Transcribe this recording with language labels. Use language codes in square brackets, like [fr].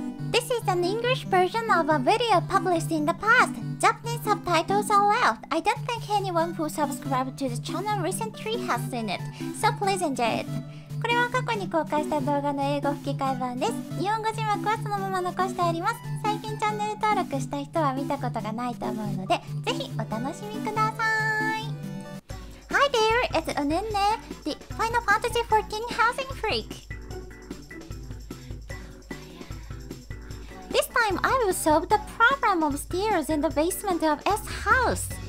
[en] This is an English version of a video published in the past. Japanese subtitles are left. I don't think anyone who subscribed to the channel recently has seen it. So please enjoy it. [ja] これは過去に公開した動画の英語吹き替え版です。日本語字幕はそのまま残してあります。最近チャンネル登録した人は見たことがないと思うので、ぜひお楽しみください。 [en] Hi there, it's Onenne, the Final Fantasy 14 housing freak. This time, I will solve the problem of stairs in the basement of S house.